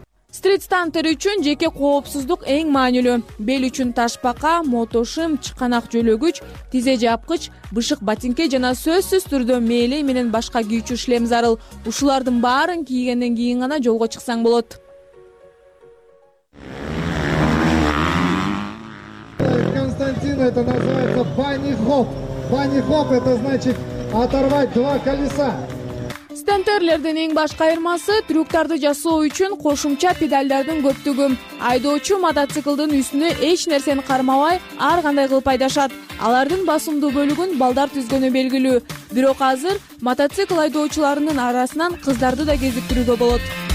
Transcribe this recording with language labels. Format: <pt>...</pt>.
<ky>Стрит стантер үчүн жеке коопсуздук эң маанилүү. Бел үчүн ташбака, мотошим, чыканак жөлөгүч, тизе жапкыч, бышык ботинке жана сөзсүз түрдө мээлей менен башка кийүүчү шлем зарыл. Ушулардын баарын кийгенден кийин гана жолго чыксаң болот.</ky> <ru>Константин, это называется банихоп. Банихоп, это значит оторвать два колеса.</ru> <ky>Стентерлердин эң башка айырмасы трюктарды жасоо үчүн кошумча педалдардын көптүгү. Айдоочу мотоциклдын үстүнө эч нерсени кармабай, ар кандай кылып айдашат. Алардын басымдуу бөлүгүн балдар түзгөнү белгилүү. Бирок азыр мотоцикл айдоочуларынын арасынан кыздарды да кезиктирүүгө болот.</ky>